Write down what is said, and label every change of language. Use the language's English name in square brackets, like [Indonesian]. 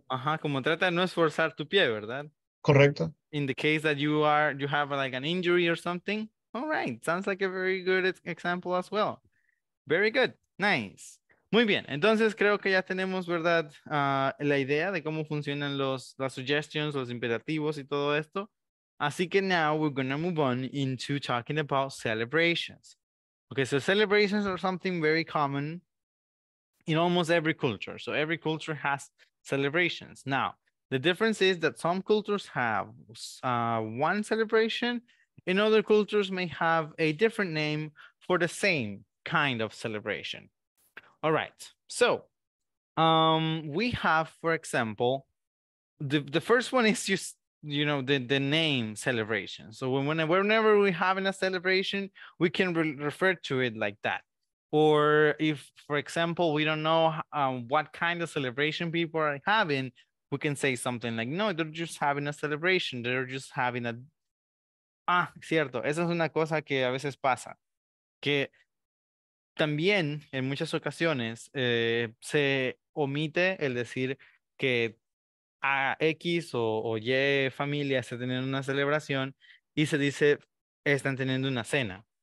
[Spanish] Ajá, como trata de no esforzar tu pie, ¿verdad? Correcto. [English] In the case that you have like an injury or something. All right, sounds like a very good example as well. Very good, nice. [Spanish] Muy bien, entonces creo que ya tenemos, ¿verdad? La idea de cómo funcionan las suggestions, los imperativos y todo esto. Así que [English] now we're going to move on into talking about celebrations. Okay, so celebrations are something very common in almost every culture. So every culture has celebrations. Now, the difference is that some cultures have one celebration, and other cultures may have a different name for the same kind of celebration. All right, so we have, for example, the first one is just, you know, the name celebration. So whenever we're having a celebration, we can refer to it like that. Or if, for example, we don't know what kind of celebration people are having, we can say something like, no, they're just having a celebration. They're just having a... [Spanish] Ah, cierto. Esa es una cosa que a veces pasa. Que también, en muchas ocasiones, se omite el decir que a X o Y familia está teniendo una celebración y se dice, están teniendo una cena.